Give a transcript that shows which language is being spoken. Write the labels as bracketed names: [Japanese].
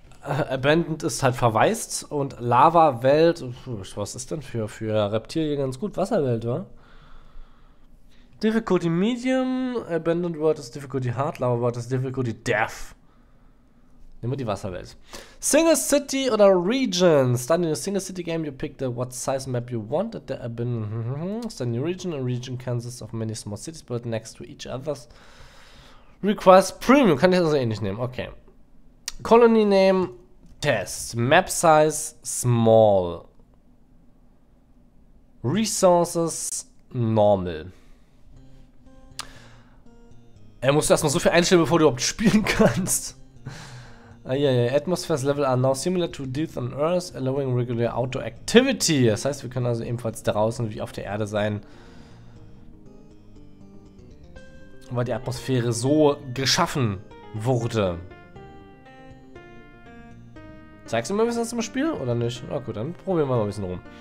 [German] Abandoned ist halt verwaist und Lava-Welt, was ist denn für Reptilien ganz gut? Wasserwelt, wa? Difficulty Medium, Abandoned World ist Difficulty Hard, Lava World ist Difficulty Death. Nehmen wir die Wasserwelt. Single City oder Region? [English] Start in a single city game, you pick the what size map you want at the Abandoned. Start in your region, a region consists of many small cities built next to each other. Requires Premium, [German] kann ich also ähnlich nehmen, okay. [English] Colony Name, Test, Map Size, Small, Resources, Normal. [German] Er musst du erstmal so viel einstellen, bevor du überhaupt spielen kannst. [English] Atmospheres Level are now similar to Death on Earth, allowing regular outdoor activity. [German] Das heißt, wir können also ebenfalls draußen wie auf der Erde sein. Weil die Atmosphäre so geschaffen wurde. Zeigst du mir ein bisschen zum Spiel oder nicht? Na gut, dann probieren wir mal ein bisschen rum.